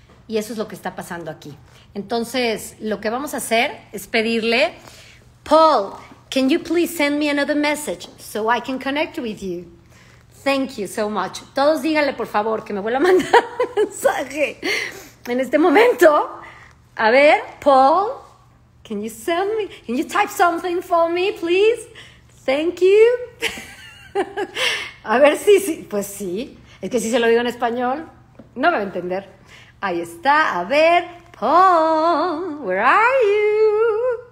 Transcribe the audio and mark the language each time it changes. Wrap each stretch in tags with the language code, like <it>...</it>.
<es>Y eso es lo que está pasando aquí. Entonces, lo que vamos a hacer es pedirle,</es> <en>Paul, can you please send me another message so I can connect with you? Thank you so much.</en> <es>Todos díganle, por favor, que me vuelva a mandar un mensaje en este momento. A ver,</es> <en>Paul, can you type something for me, please? Thank you.</en> <es>A ver, sí, pues sí. Es que si se lo digo en español, no me va a entender. Ahí está, a ver, Paul,</es> <en>where are you?</en>